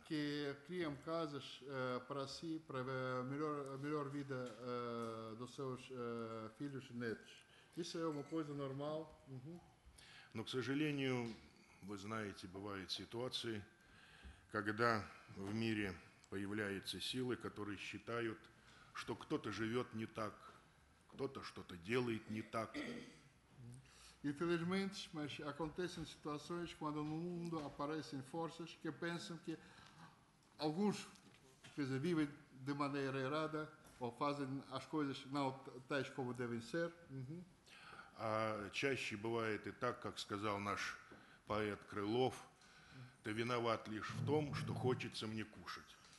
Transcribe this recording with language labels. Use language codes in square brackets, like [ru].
[pt] Que criam casas para si, para melhor vida dos seus filhos e netos. Isso é uma coisa normal. [ru] Но, к сожалению, вы знаете, бывают ситуации, когда в мире появляются силы, которые считают, что кто-то живет не так, кто-то что-то делает не так. [pt] Infelizmente, mas acontecem situações quando no mundo aparecem forças que pensam que alguns, quer dizer, vivem de maneira errada ou fazem as coisas não tais como devem ser. [ru] А чаще бывает и так, как сказал наш поэт Крылов, ты виноват лишь в том, что хочется мне кушать.